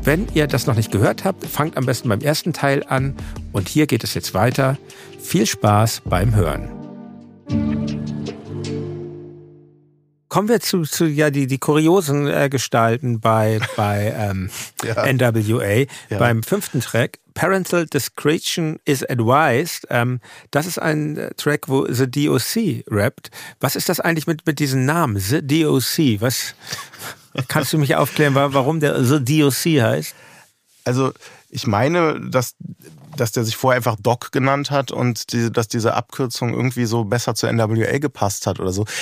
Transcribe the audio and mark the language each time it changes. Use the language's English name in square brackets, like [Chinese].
[German] Wenn ihr das noch nicht gehört habt, fangt am besten beim ersten Teil an. Und hier geht es jetzt weiter. Viel Spaß beim Hören. Kommen wir zu die kuriosen Gestalten bei ja. NWA, ja. Beim fünften Track. [English] Parental Discretion is Advised. [German] Das ist ein Track, wo The DOC rappt. Was ist das eigentlich mit diesem Namen, The DOC? Was kannst du mich aufklären, warum der The DOC heißt? Also ich meine, dass der sich vorher einfach Doc genannt hat und dass diese Abkürzung irgendwie so besser zu NWA gepasst hat oder so.